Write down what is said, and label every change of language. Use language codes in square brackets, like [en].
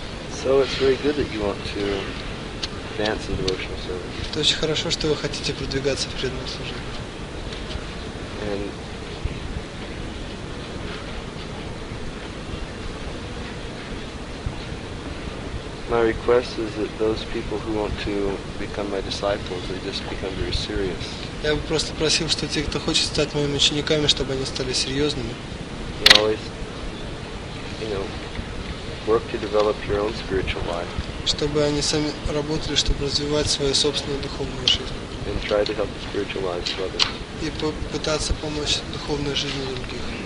[en] So it's very good that you want to advance in devotional service. [ru] Это очень хорошо, что вы хотите продвигаться в преданном служении. [en] And my request is that those people who want to become my disciples, they just become very serious. [ru] Я бы просто просил, что те, кто хочет стать моими учениками, чтобы они стали серьезными. [en] You always, you know, work to develop your own spiritual life. [ru] Чтобы они сами работали, чтобы развивать свою собственную духовную жизнь. [en] And try to help the spiritual lives of others. [ru] И попытаться помочь духовной жизни других.